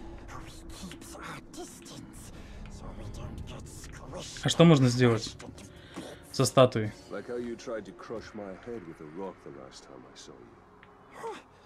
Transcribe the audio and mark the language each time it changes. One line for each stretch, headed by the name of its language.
English: We keep our distance, so we don't get squished.
Russian: А что можно сделать со статуей?
English: Like how you tried to crush my head with a rock the last time I saw you.